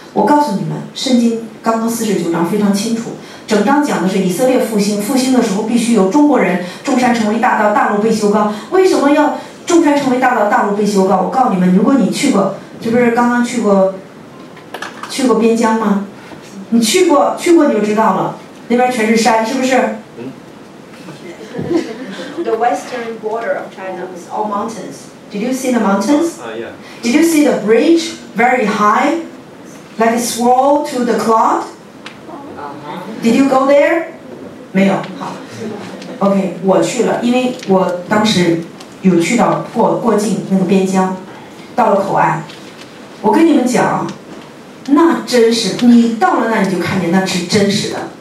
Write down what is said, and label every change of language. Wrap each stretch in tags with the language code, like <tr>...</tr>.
<zh>我告诉你们，圣经刚刚49章非常清楚，整章讲的是以色列复兴的时候必须有中国人，众山成为大道，大陆被修高。为什么要众山成为大道，大陆被修高？我告诉你们，如果你去过，这不是刚刚去过边疆吗？你去过你就知道了，那边全是山，是不是？</zh> <en>The western border of China is all mountains. Did you see the mountains? Yeah. Did you see the bridge very high, like a swirl to the cloud? Did you go there?</en> <zh>没有。好。OK, 我去了，因为我当时有去到过境那个边疆，到了口岸，我跟你们讲，那真是你到了那你就看见那是真实的。</zh>